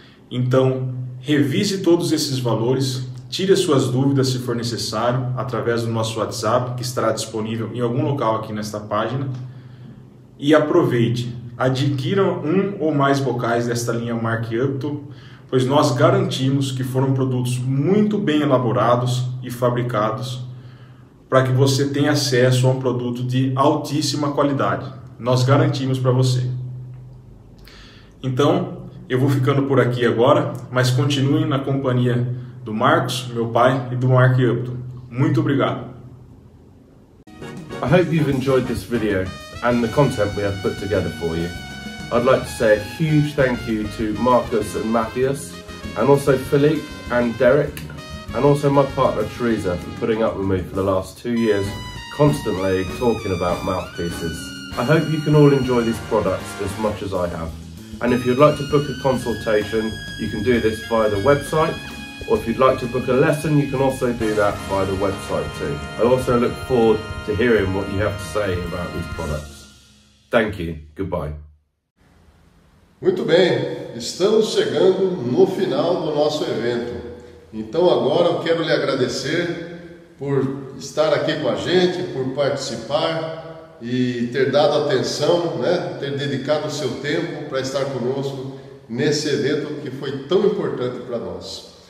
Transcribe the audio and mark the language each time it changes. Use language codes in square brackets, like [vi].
[pt] Então, revise todos esses valores, tire as suas dúvidas se for necessário, através do nosso WhatsApp, que estará disponível em algum local aqui nesta página, e aproveite, adquira um ou mais bocais desta linha Mark Upton, pois nós garantimos que foram produtos muito bem elaborados e fabricados para que você tenha acesso a um produto de altíssima qualidade. Nós garantimos para você. Então, eu vou ficando por aqui agora, mas continuem na companhia do Marcos, meu pai, e do Mark Upton. Muito obrigado. [en] I hope you've enjoyed this video and the content we have put together for you. I'd like to say a huge thank you to Marcus and Matthias, and also Philippe and Derek, and also my partner Teresa for putting up with me for the last 2 years, constantly talking about mouthpieces. I hope you can all enjoy these products as much as I have. And if you'd like to book a consultation, you can do this via the website, or if you'd like to book a lesson, you can also do that via the website too. I also look forward to hearing what you have to say about these products. Thank you. Goodbye. [pt] Muito bem, estamos chegando no final do nosso evento. Então agora eu quero lhe agradecer por estar aqui com a gente, por participar e ter dado atenção, né? Ter dedicado o seu tempo para estar conosco nesse evento que foi tão importante para nós.